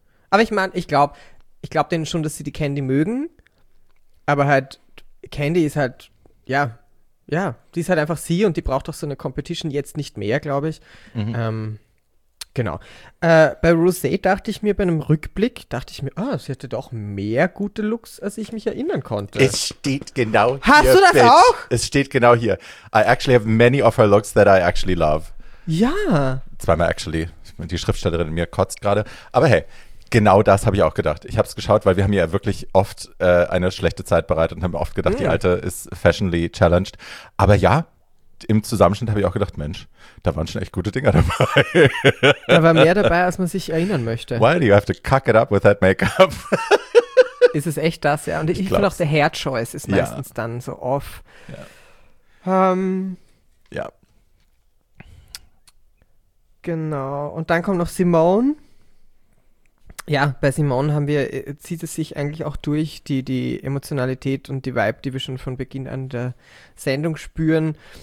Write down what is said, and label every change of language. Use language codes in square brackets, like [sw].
[de] Aber ich meine, ich glaube denen schon, dass sie die Candy mögen, aber halt, Candy ist halt, ja, die ist halt einfach sie und die braucht auch so eine Competition jetzt nicht mehr, glaube ich. Genau. Bei Rosé dachte ich mir, bei einem Rückblick, sie hätte doch mehr gute Looks, als ich mich erinnern konnte. Es steht genau hier. Hast du das auch? Es steht genau hier. [en] I actually have many of her looks that I actually love. [de] Ja. Zweimal actually. Die Schriftstellerin in mir kotzt gerade. Aber hey, genau das habe ich auch gedacht. Ich habe es geschaut, weil wir haben ja wirklich oft eine schlechte Zeit bereitet und haben oft gedacht, die Alte ist [en] fashionably challenged. [de] Aber ja, im Zusammenschnitt habe ich auch gedacht, Mensch, da waren schon echt gute Dinger dabei. Da war mehr dabei, als man sich erinnern möchte. [en] Why do you have to cuck it up with that makeup? [de] Ist es echt das, ja. Und ich finde auch, der Hair Choice ist meistens dann so off. Ja. Genau. Und dann kommt noch Simone. Ja, bei Simone haben wir, zieht es sich eigentlich auch durch, die Emotionalität und die Vibe, die wir schon von Beginn an der Sendung spüren.